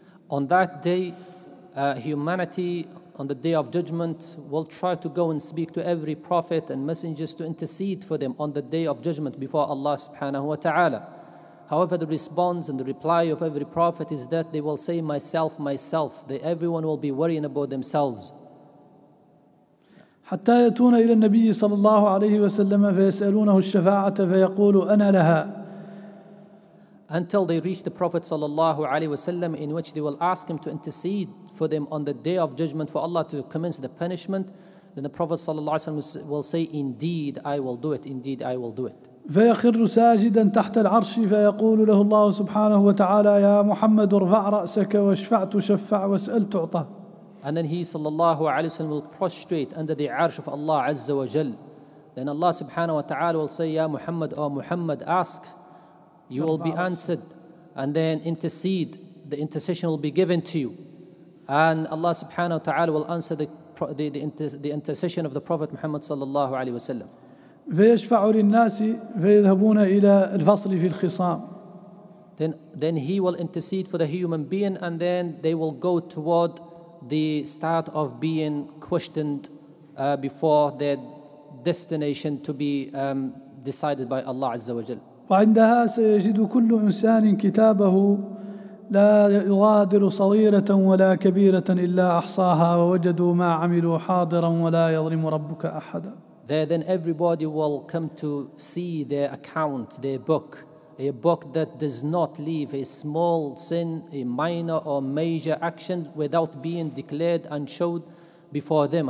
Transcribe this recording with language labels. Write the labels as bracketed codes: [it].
[en] On that day humanity on the day of judgment will try to go and speak to every prophet and messengers to intercede for them on the day of judgment before Allah subhanahu wa ta'ala. However, the response and the reply of every prophet is that they will say, myself, myself. That everyone will be worrying about themselves. [ar] حتى يأتون إلى النبي صلى الله عليه وسلم فيسألونه الشفاعة فيقول أنا لها. [en] Until they reach the Prophet [ar] صلى الله عليه وسلم [en] in which they will ask him to intercede for them on the day of judgment for Allah to commence the punishment, then the Prophet صلى الله عليه وسلم will say, indeed, I will do it, indeed, I will do it. [ar] فيخر ساجدا تحت العرش فيقول له الله سبحانه وتعالى يا محمد ارفع رأسك واشفع تشفع واسأل تعطى. [en] And then he [ar] صلى الله عليه وسلم [en] will prostrate under the arsh of Allah [ar] عز وجل. [en] Then Allah [ar] سبحانه وتعالى [en] will say [ar] يا محمد أو محمد [en] ask you will be answered and then intercede the intercession will be given to you and Allah سبحانه وتعالى will answer the intercession of the Prophet Muhammad [ar] صلى الله عليه وسلم. فيشفع للناس فيذهبون إلى الفصل في الخصام. [en] Then he will intercede for the human being and then they will go toward the start of being questioned before their destination to be decided by Allah Azza wa Jal. [ar] وعندها سيجد كل إنسان كتابه لا يغادر صغيرة ولا كبيرة إلا أحصاها ووجدوا ما عملوا حاضرا ولا يظلم ربك أحدا. [en] Then everybody will come to see their account, their book, a book that does not leave a small sin, a minor or major action without being declared and showed before them.